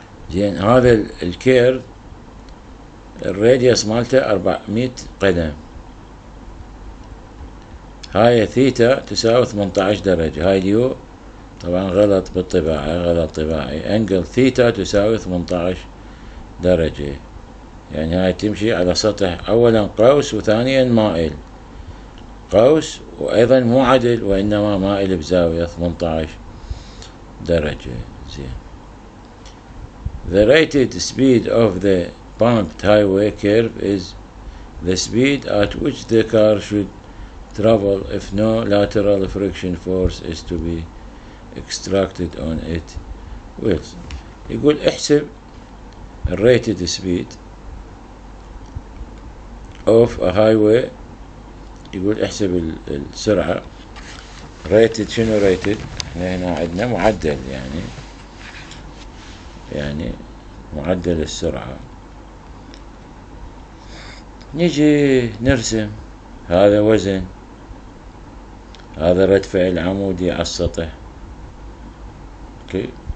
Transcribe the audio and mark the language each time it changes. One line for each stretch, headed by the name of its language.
Arabic: زين، هذا الكيرف الراديوس مالته 400 قدم، هاي ثيتا تساوي 18 درجة، هاي اليو طبعا غلط بالطباعة، غلط طباعي، انجل ثيتا تساوي 18 درجة، يعني هاي تمشي على سطح اولا قوس وثانيا مائل، قوس وايضا مو عدل وانما مائل بزاوية 18 درجة زين.
English: The rated speed of the pumped highway curve is the speed at which the car should travel if no lateral friction force is to be extracted on it wheels.
Arabic: يقول احسب
English: the rated speed of a highway،
Arabic: يقول احسب السرعة rated، شنو rated؟ احنا هنا عندنا معدل، يعني معدل السرعة، نجي نرسم، هذا وزن، هذا ردفع العمودي على السطح، اوكي